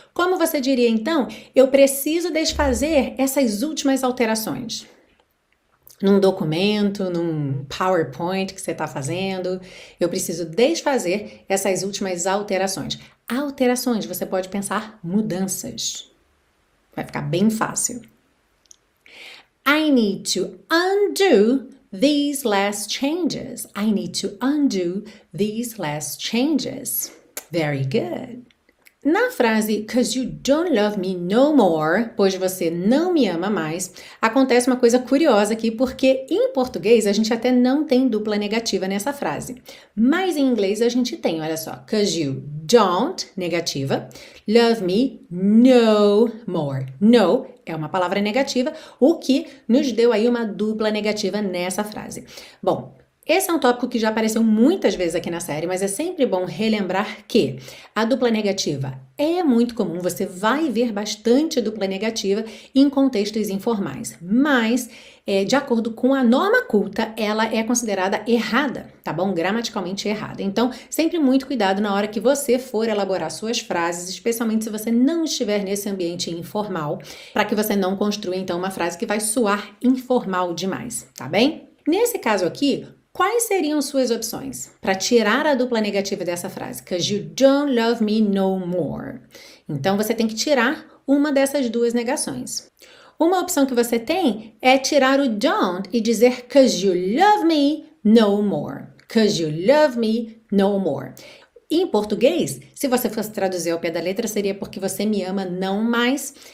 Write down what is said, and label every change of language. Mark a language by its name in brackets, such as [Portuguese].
[Portuguese] Como você diria então? Eu preciso desfazer essas últimas alterações. Num documento, num PowerPoint que você está fazendo, eu preciso desfazer essas últimas alterações. Alterações, você pode pensar mudanças. Vai ficar bem fácil. [English] I need to undo these last changes. I need to undo these last changes. Very good. [Portuguese] Na frase [English] 'cause you don't love me no more, [Portuguese] pois você não me ama mais, acontece uma coisa curiosa aqui, porque em português a gente até não tem dupla negativa nessa frase. Mas em inglês a gente tem, olha só. [English] 'Cause you don't, [Portuguese] negativa, [English] love me no more. [Portuguese] No é uma palavra negativa, o que nos deu aí uma dupla negativa nessa frase. Bom, esse é um tópico que já apareceu muitas vezes aqui na série, mas é sempre bom relembrar que a dupla negativa é muito comum, você vai ver bastante dupla negativa em contextos informais, mas de acordo com a norma culta, ela é considerada errada, tá bom? Gramaticalmente errada. Então, sempre muito cuidado na hora que você for elaborar suas frases, especialmente se você não estiver nesse ambiente informal, para que você não construa então uma frase que vai soar informal demais, tá bem? Nesse caso aqui, quais seriam suas opções para tirar a dupla negativa dessa frase? [English] 'Cause you don't love me no more. [Portuguese] Então você tem que tirar uma dessas duas negações. Uma opção que você tem é tirar o don't e dizer [English] 'cause you love me no more. 'Cause you love me no more. [Portuguese] Em português, se você fosse traduzir ao pé da letra, seria 'porque você me ama não mais'.